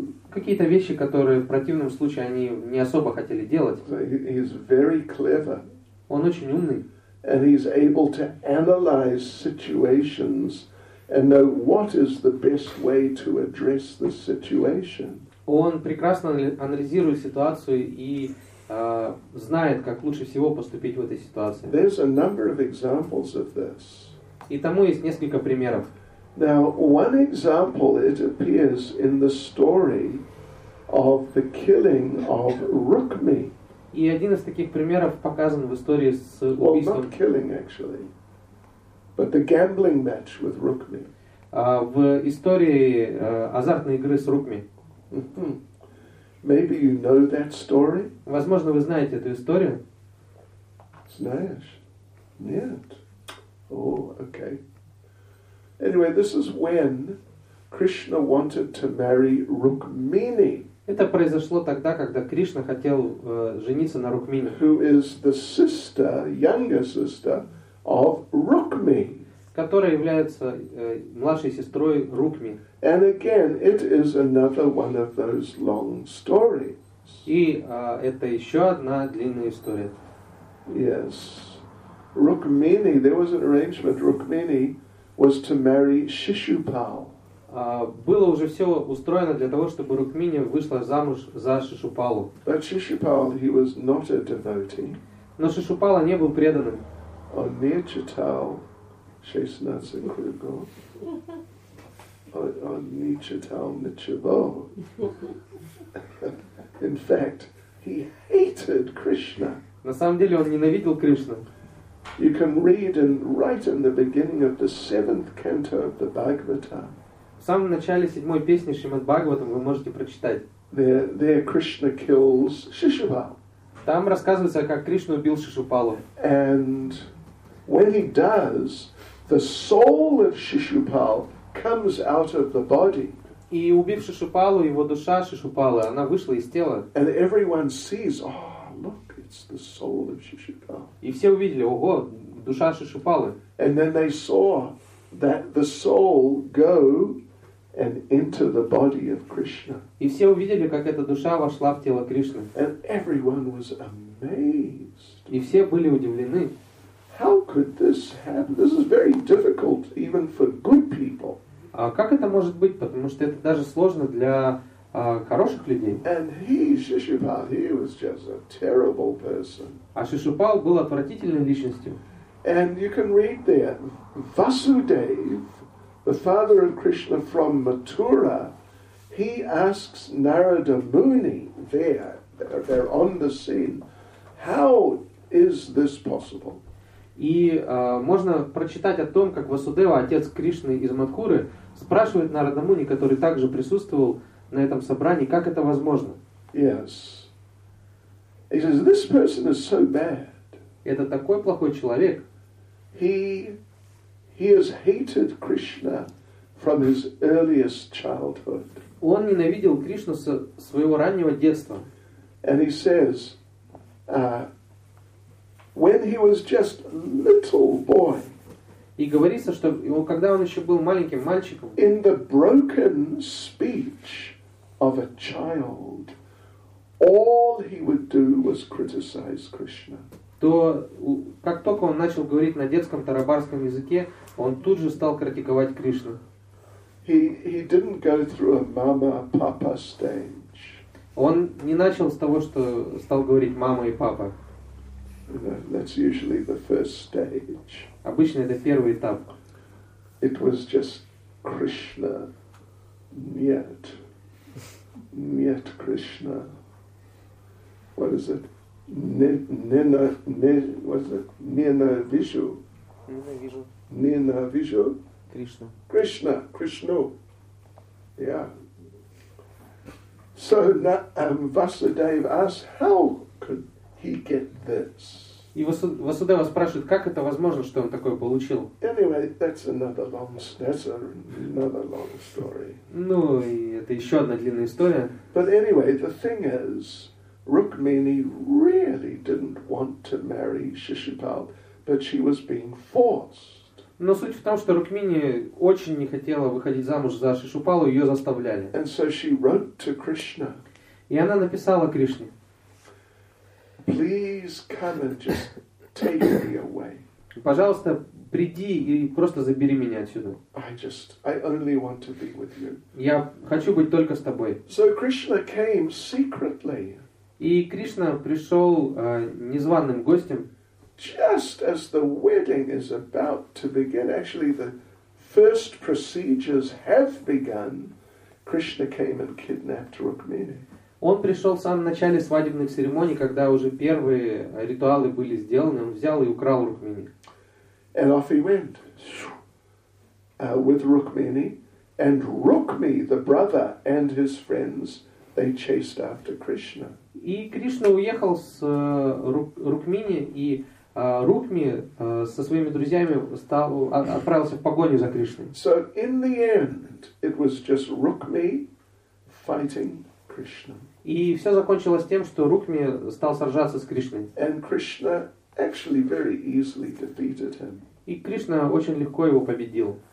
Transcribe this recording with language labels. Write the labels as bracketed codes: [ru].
[ru] Какие-то вещи, которые в противном случае они не особо хотели делать. Он очень умный. [en] And he's able to analyze situations and know what is the best way to address the situation. [ru] Он прекрасно анализирует ситуацию и знает, как лучше всего поступить в этой ситуации. [en] There's a number of examples of this. [ru] И тому есть несколько примеров. [en] Now, one example, it appears in the story of the killing of Rukmi. [ru] И один из таких примеров показан в истории с убийством. [en] Well, not killing, actually, but the gambling match with Rukmi. [ru] В истории азартной игры с Рукми. [en] Maybe you know that story? [ru] Возможно, вы знаете эту историю? Знаешь? Нет. [en] Oh, okay. Anyway, this is when Krishna wanted to marry Rukmini. [ru] Это произошло тогда, когда Кришна хотел жениться на Рукмини. [en] Who is the sister, younger sister of Rukmi? [ru] Которая является младшей сестрой Рукми. [en] And again, it is another one of those long stories. [ru] И это еще одна длинная история. [en] Yes. Rukmini, there was an arrangement. Rukmini was to marry Shishupal. [ru] Было уже все устроено для того, чтобы Рукмини вышла замуж за Шишупалу. [en] But Shishupal, he was not a devotee. [ru] Но Шишупала не был преданным. Oh, near Chital, Shesnats and Krugel. On Nichital Nichibo. [en] In fact, he hated Krishna. [ru] На самом деле он ненавидел Кришну. [en] You can read and write in the beginning of the seventh canto of the Bhagavatam. [ru] В самом начале седьмой песни Шримад Бхагаватам вы можете прочитать. [en] There Krishna kills Shishupal. [ru] Там рассказывается, как Кришна убил Шишупалу. [en] And when he does, the soul of Shishupal comes out of the body. [ru] И убив Шишупалу, его душа Шишупала, она вышла из тела. [en] And everyone sees, oh, look, it's the soul of Shishupal. [ru] И все увидели, ого, душа Шишупалы. [en] And then they saw that the soul go and enter the body of Krishna. [ru] И все увидели, как эта душа вошла в тело Кришны. [en] And everyone was amazed. [ru] И все были удивлены. [en] How could this happen? This is very difficult even for good people. [ru] А как это может быть? Потому что это даже сложно для хороших людей. [en] And he, Shishupal, he was just a terrible person. [ru] А Шишупал был отвратительной личностью. [en] And you can read there, Vasudev, the father of Krishna from Mathura, he asks Narada Muni there on the scene, how is this possible? [ru] И можно прочитать о том, как Васудева, отец Кришны из Матхуры, спрашивает Нарада Муни, который также присутствовал на этом собрании, как это возможно. [en] Yes. He says, this person is so bad. [ru] Это такой плохой человек. [en] He has hated Krishna from his earliest childhood. [ru] Он ненавидел Кришну со своего раннего детства. [en] And he says, when he was just little boy. [ru] И говорится, что когда он еще был маленьким мальчиком. [en] In the broken speech of a child, all he would do was criticize Krishna. [ru] То как только он начал говорить на детском тарабарском языке, он тут же стал критиковать Кришну. [en] He didn't go through a mama papa stage. [ru] Он не начал с того, что стал говорить мама и папа. [en] That's usually the first stage. [ru] Обычно это первый этап. [en] It was just Krishna. [ru] Нет. Нет, [en] Krishna. What is it? [ru] Ненавижу. Ненавижу. Кришна. Кришна. Кришну. [en] Yeah. So Vasudev asks, how could he get this? [ru] И Васудева спрашивает, как это возможно, что он такое получил? [en] Anyway, that's another long story. [ru] Ну, и это еще одна длинная история. [en] But anyway, the thing is, Rukmini really didn't want to marry Shishupal, But she was being forced. [ru] Но суть в том, что Рукмини очень не хотела выходить замуж за Шишупалу, ее заставляли. [en] And so she wrote to Krishna. [ru] И она написала Кришне. [en] Please come and just take me away. [ru] Пожалуйста, приди и просто забери меня отсюда. [en] I only want to be with you. [ru] Я хочу быть только с тобой. [en] So Krishna came secretly. [ru] И Кришна пришел незваным гостем. [en] Just as the wedding is about to begin, actually the first procedures have begun, Krishna came and kidnapped Rukmini. [ru] Он пришел в самом начале свадебной церемонии, когда уже первые ритуалы были сделаны, он взял и украл Рукмини. [en] And off he went with Rukmini, and Rukmi, the brother, and his friends, they chased after Krishna. [ru] И Кришна уехал с Рукмини, и Рукми со своими друзьями отправился в погоню за Кришной. [en] So in the end, it was just Rukmi fighting Krishna. [ru] И все закончилось тем, что Рукми стал сражаться с Кришной. [en] And Krishna actually very easily defeated him. [ru] И Кришна очень легко его победил.